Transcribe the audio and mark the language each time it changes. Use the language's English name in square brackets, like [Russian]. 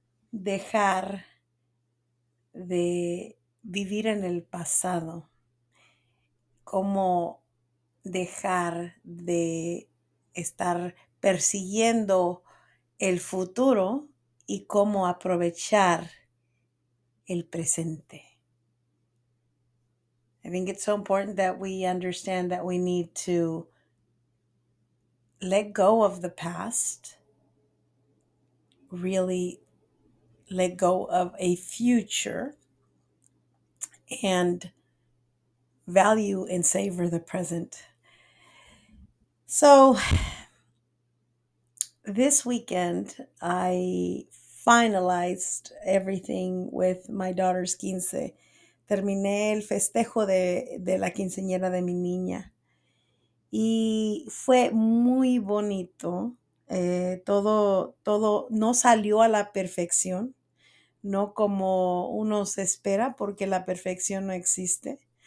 [Spanish] dejar de vivir en el pasado, cómo dejar de estar persiguiendo el futuro y cómo aprovechar el presente. [English] I think it's so important that we understand that we need to let go of the past, really let go of a future, and value and savor the present. So this weekend, I finalized everything with my daughter's 15. [Spanish] Terminé el festejo de la quinceañera de mi niña. Y fue muy bonito. Todo no salió a la perfección. No como uno se espera, porque la perfección no existe.